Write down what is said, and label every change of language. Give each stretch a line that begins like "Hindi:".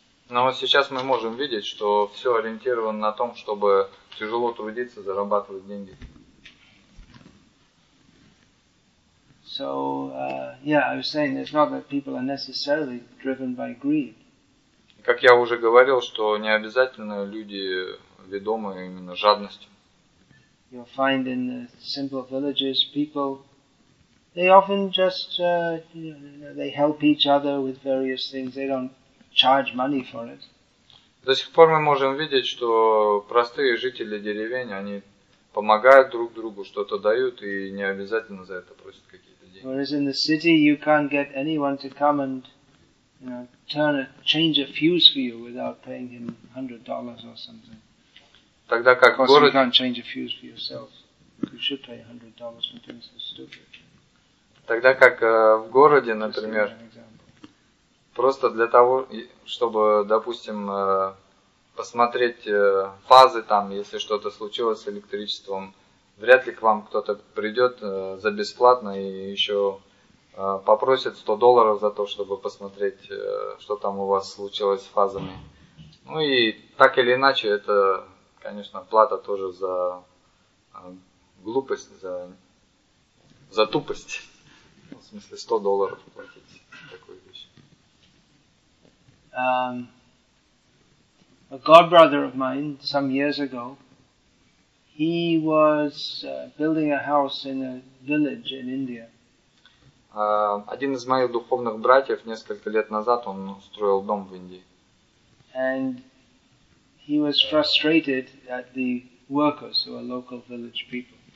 Russian: Но вот сейчас мы можем видеть, что все ориентировано на том, чтобы тяжело трудиться, зарабатывать деньги.
English: So, yeah, I was saying it's not that people are necessarily driven by greed.
Russian: Как я уже говорил, что не обязательно люди ведомы именно жадностью.
English: You'll find in the simple villages people, they often just, they help each other with various things. They don't charge money for it.
Russian: До сих пор мы можем видеть, что простые жители деревень, они помогают друг другу, что-то дают и не обязательно за это просят какие-то деньги.
English: Whereas in the city you can't get anyone to come and, you know, turn a change a fuse for you without paying him $100 or something.
Russian: Тогда как of город...
English: you can't change a fuse for yourself. You should pay $100 for things that are stupid.
Russian: Тогда как в городе, например, просто для того, чтобы, допустим, посмотреть фазы там, если что-то случилось с электричеством, вряд ли к вам кто-то придет за бесплатно и еще попросит $100 за то, чтобы посмотреть, что там у вас случилось с фазами. Ну и так или иначе, это, конечно, плата тоже за глупость, за тупость. В смысле, $100 платить такую вещь.
English: A godbrother of mine, some years ago, he was building a house in a village in India.
Russian: Один из моих духовных братьев несколько лет назад он строил дом в Индии.
English: And he was frustrated at the workers who are local village people.